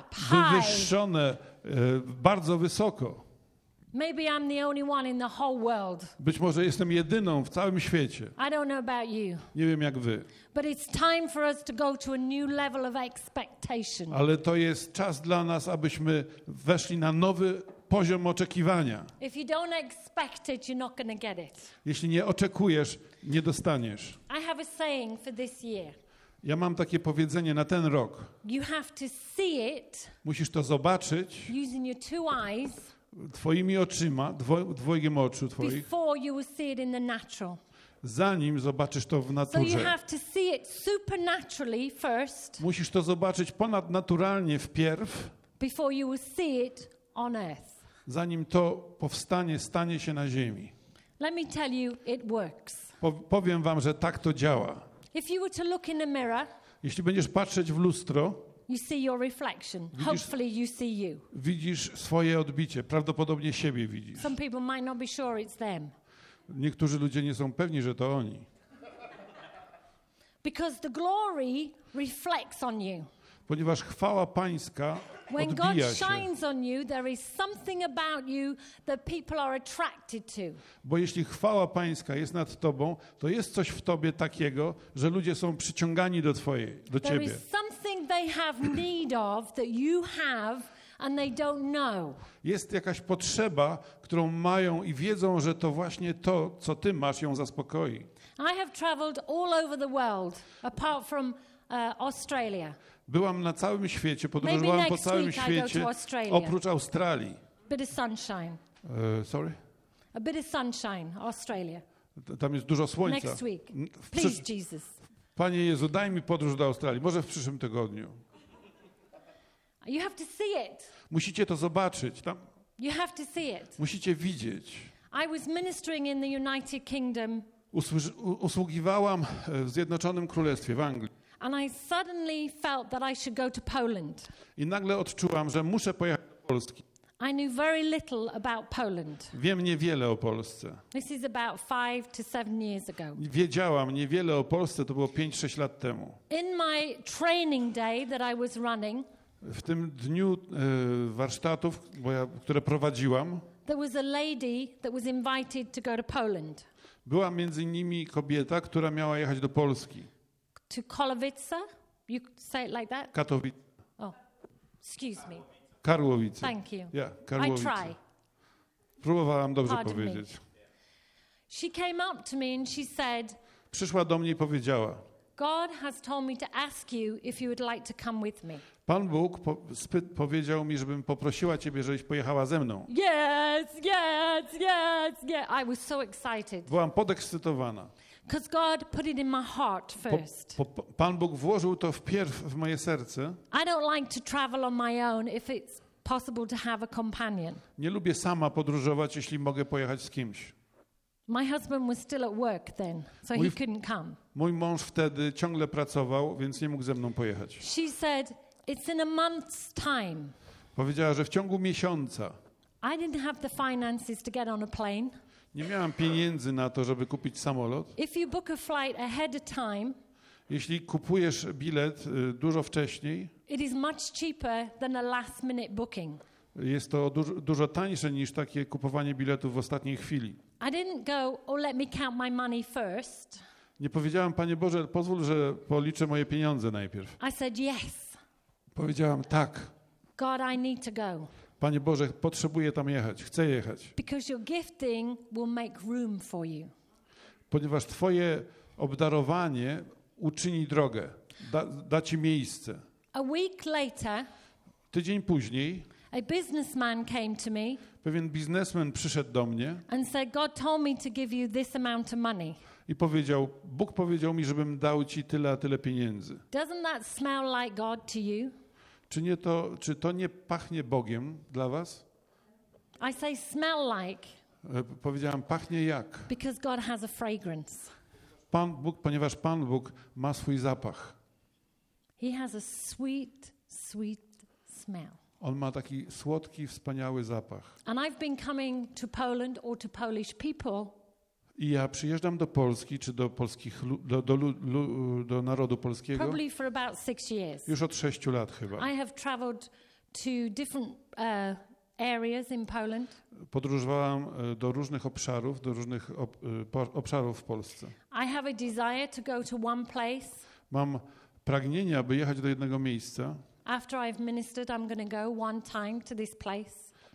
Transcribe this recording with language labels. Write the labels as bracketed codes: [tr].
[pl] wywyższone bardzo wysoko. [en] Maybe I'm the only one in the whole world. [pl] Być może jestem jedyną w całym świecie. [en] I don't know about you. [pl] Nie wiem jak wy. [en] But it's time for us to go to a new level of expectation. [pl] Ale to jest czas dla nas, abyśmy weszli na nowy poziom oczekiwania. [en] If you don't expect it, you're not gonna get it. [pl] Jeśli nie oczekujesz, nie dostaniesz. [en] I have a saying for this year. [pl] Ja mam takie powiedzenie na ten rok. [en] You have to see it. [pl] Musisz to zobaczyć. [en] Using your two eyes. [pl] Twoimi oczyma, dwojgiem oczu twoich. [en] Before you will see it in the natural. [pl] Zanim zobaczysz to w naturze. [en] So you have to see it supernaturally first. [pl] Musisz to zobaczyć ponadnaturalnie wpierw. [en] Before you will see it on earth. [pl] Zanim to powstanie, stanie się na ziemi. [en] Let me tell you, it works. [pl] Powiem wam, że tak to działa. [en] If you were to look in the mirror, [pl] jeśli będziesz patrzeć w lustro, [en] you see your reflection. Hopefully you see you. [pl] Widzisz swoje odbicie, prawdopodobnie siebie widzisz. [en] Some people might not be sure it's them. [pl] Niektórzy ludzie nie są pewni, że to oni. [en] Because the glory reflects on you. [pl] Ponieważ chwała Pańska [en] when God [pl] odbija [en] shines [pl] się [en] on you, there is something about you that people are attracted to. [pl] Bo jeśli chwała Pańska jest nad tobą, to jest coś w tobie takiego, że ludzie są przyciągani do twojej, do [en] there [pl] ciebie. [en] There is something they have need of that you have and they don't know. [pl] Jest jakaś potrzeba, którą mają i wiedzą, że to właśnie to, co ty masz, ją zaspokoi. [en] I have traveled all over the world apart from Australia. [pl] Byłam na całym świecie, podróżowałam po całym świecie, oprócz Australii. [en] Bit of sunshine. Sorry? A bit of sunshine, Australia. [pl] Tam jest dużo słońca. [en] Next week. Please, Jesus. [pl] Panie Jezu, daj mi podróż do Australii. Może w przyszłym tygodniu. [en] You have to see it. [pl] Musicie to zobaczyć. Tam. [en] You have to see it. [pl] Musicie widzieć. [en] I was ministering in the United Kingdom. [pl] Usługiwałam w Zjednoczonym Królestwie, w Anglii. [en] And I suddenly felt that I should go to Poland. [pl] I nagle odczułam, że muszę pojechać do Polski. [en] I knew very little about Poland. [pl] Wiem niewiele o Polsce. [en] This is about 5 to 7 years ago. [pl] Wiedziałam niewiele o Polsce, to było 5-6 lat temu. [en] In my training day that I was running, [pl] w tym dniu warsztatów, które prowadziłam, [en] there was a lady that was invited to go to Poland. [pl] Była między innymi kobieta, która miała jechać do Polski. [en] To Kolowice? You say it like that? [pl] Katowice. [en] Oh, excuse me. [pl] Karłowice. [en] Thank you. Yeah, Karłowice. I try. [pl] Próbowałam dobrze pardon powiedzieć. [en] Me. She came up to me and she said, [pl] przyszła do mnie i powiedziała, [en] God has told me to ask you if you would like to come with me. [pl] Pan Bóg powiedział mi, żebym poprosiła ciebie, żebyś pojechała ze mną. [en] Yes, yes, yes, yes. I was so excited. [pl] Byłam podekscytowana. [en] Because God put it in my heart first. [pl] Pan Bóg włożył to wpierw w moje serce. [en] I don't like to travel on my own if it's possible to have a companion. [pl] Nie lubię sama podróżować, jeśli mogę pojechać z kimś. [en] My husband was still at work then, so he couldn't come. [pl] Mój mąż wtedy ciągle pracował, więc nie mógł ze mną pojechać. [en] She said, "It's in a month's time." [pl] Powiedziała, że w ciągu miesiąca. [en] I didn't have the finances to get on a plane. [pl] Nie miałam pieniędzy na to, żeby kupić samolot. [en] If you book a flight ahead of time, [pl] jeśli kupujesz bilet dużo wcześniej, [en] it is much cheaper than a last minute booking. [pl] Jest to dużo tańsze niż takie kupowanie biletów w ostatniej chwili. [en] I didn't go, oh, let me count my money first. [pl] Nie powiedziałam, Panie Boże, pozwól, że policzę moje pieniądze najpierw. [en] I said yes. [pl] Powiedziałam tak. [en] God, I need to go. [pl] Panie Boże, potrzebuję tam jechać, chcę jechać. [en] Because your gifting will make room for you. [pl] Ponieważ Twoje obdarowanie uczyni drogę, da Ci miejsce. [en] A week later, [pl] tydzień później, [en] a businessman came to me, [pl] pewien biznesmen przyszedł do mnie [en] and said, God told me to give you this amount of money. [pl] I powiedział, Bóg powiedział mi, żebym dał Ci tyle, a tyle pieniędzy. [en] Doesn't that smell like God to you? [pl] Czy to nie pachnie Bogiem dla was? [en] I say smell like. [pl] Powiedziałem, pachnie jak? [en] Because God has a fragrance. [pl] Pan Bóg, ponieważ Pan Bóg ma swój zapach. [en] He has a sweet, sweet smell. [pl] On ma taki słodki, wspaniały zapach. [en] And I've been coming to Poland or to Polish people. [pl] I ja przyjeżdżam do Polski, czy do polskich, do narodu polskiego. [en] Probably for about 6 years. [pl] Już od 6 lat chyba. [en] I have traveled to different areas in Poland. [pl] Podróżowałam do różnych obszarów, obszarów w Polsce. [en] I have a desire to go to one place. [pl] Mam pragnienie, aby jechać do jednego miejsca. [en] After I've ministered, I'm going to go one time to this place.